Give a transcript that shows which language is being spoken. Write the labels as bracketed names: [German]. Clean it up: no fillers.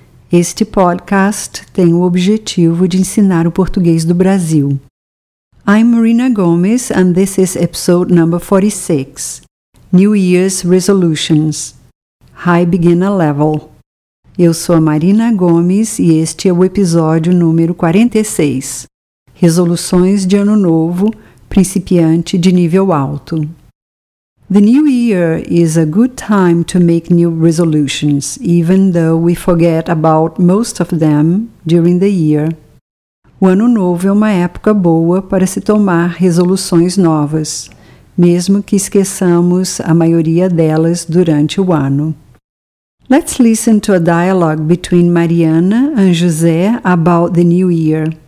[Portuguese] Este podcast tem o objetivo de ensinar o português do Brasil. [English] I'm Marina Gomes and this is episode number 46. New Year's Resolutions. High Beginner Level. [Portuguese] Eu sou a Marina Gomes e este é o episódio número 46. Resoluções de Ano Novo, principiante de nível alto. [English] The new year is a good time to make new resolutions, even though we forget about most of them during the year. [Portuguese] O Ano Novo é uma época boa para se tomar resoluções novas, mesmo que esqueçamos a maioria delas durante o ano. [English] Let's listen to a dialogue between Mariana and José about the new year.